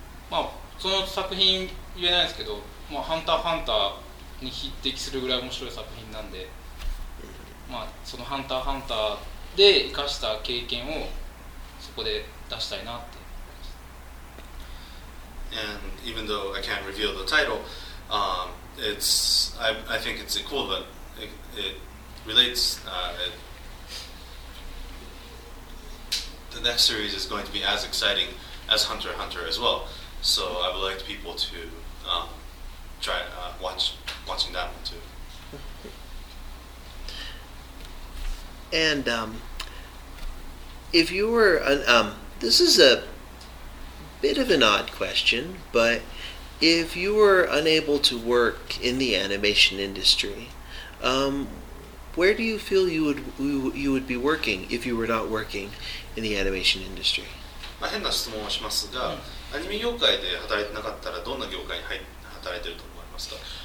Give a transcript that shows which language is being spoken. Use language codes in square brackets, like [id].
[ja] まあその作品言えないですけど、まあハンター×ハンターに匹敵するぐらい面白い作品なんで、まあそのハンター×ハンターで生かした経験をそこで出したいなって。 [en] And even though I can't reveal the title, I think it's equivalent. Relates, the next series is going to be as exciting as Hunter x Hunter as well. So I would like people to watching that one too. And if you were, this is a bit of an odd question, but if you were unable to work in the animation industry, Where do you feel you would be working if you were not working in the animation industry? [ja] まあ変な質問をしますが、アニメ業界で働いてなかったらどんな業界に働いてると思いますか？